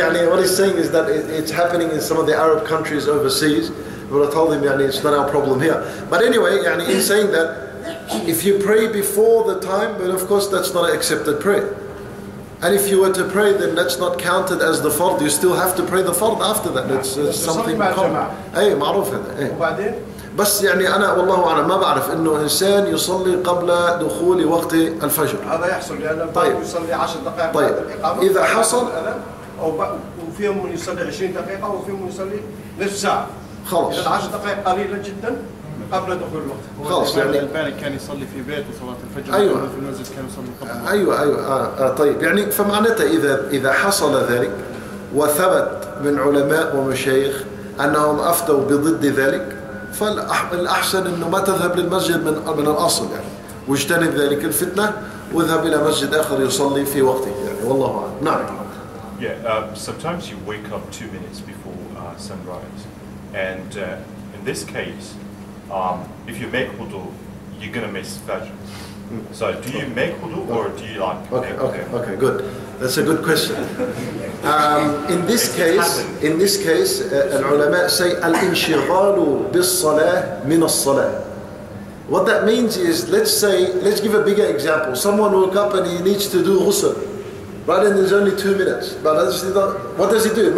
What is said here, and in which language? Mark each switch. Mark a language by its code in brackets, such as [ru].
[en] What he's saying is that it's happening in some of the Arab countries overseas. But I told him, it's not our problem here. But anyway, he's saying that if you pray before the time, but of course that's not an accepted prayer. And if you were to pray, then that's not counted as the fard. You still have to pray the fard after that. It's something common. [ar] اي معروف هذا. بس انا والله اعلم ما بعرف انه انسان يصلي قبل دخول وقت الفجر هذا يحصل لانه طيب. يصلي 10 دقائق طيب. قبل الاقامه اذا حصل وفيهم من يصلي 20 دقيقه وفيهم من يصلي نصف ساعه خلاص 10 دقائق قليله جدا قبل دخول الوقت خلاص البارك كان يصلي في بيته صلاه الفجر أيوة. في المسجد كان يصلي قبل طيب فمعناته اذا حصل ذلك وثبت من علماء ومشايخ انهم افتوا بضد ذلك فالأحسن أنه ما تذهب للمسجد من الأصل واجتنب ذلك الفتنة واذهب إلى مسجد آخر يصلي في وقته والله أعلم نعم [en] Yeah, sometimes you wake up 2 minutes before sunrise and in this case if you make wudu you're going to miss Fajr so do you make wudu or do you like Okay, good That's a good question In this case, العلماء say [ar] الانشغال بالصلاة من الصلاة [en] What that means is, let's give a bigger example Someone woke up and he needs to do ghusl Right, and there's only 2 minutes But what does he do?